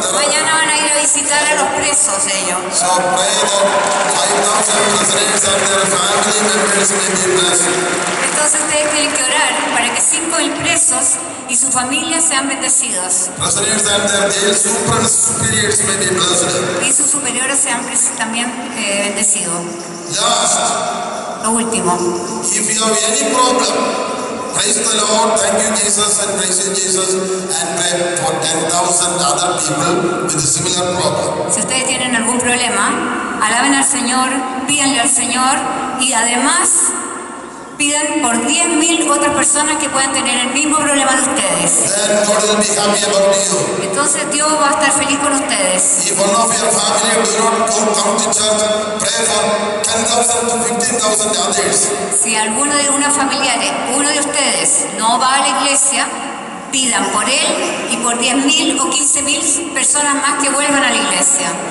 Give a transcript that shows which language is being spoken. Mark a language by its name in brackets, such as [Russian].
[Spanish] mañana van a ir a visitar a los presos ellos. [English] So pray that 5,000 prisoners and their family members may be blessed. [Spanish] Entonces ustedes tienen que orar para que 5,000 presos y sus familias sean bendecidos. [English] Prisoners and their superiors may be blessed. [Spanish] Y sus superiores sean también bendecidos. [English] Last. [Spanish] Lo último. [English] If you have any problem, praise the Lord, thank you Jesus, and praise you Jesus, and pray for 10,000 other people with a similar problem. [Spanish] Si ustedes tienen algún problema, alaben al Señor, pídanle al Señor, y además pidan por 10,000 otras personas que puedan tener el mismo problema de ustedes. [English] Then God will be happy about you. [Spanish] Entonces Dios va a estar feliz con ustedes. [English] If one of your family do not come to church, pray for 10,000 to 15,000 others. [Spanish] Si alguno de una familiares, uno de ustedes, no va a la iglesia, pidan por él y por 10,000 o 15,000 personas más que vuelvan a la iglesia.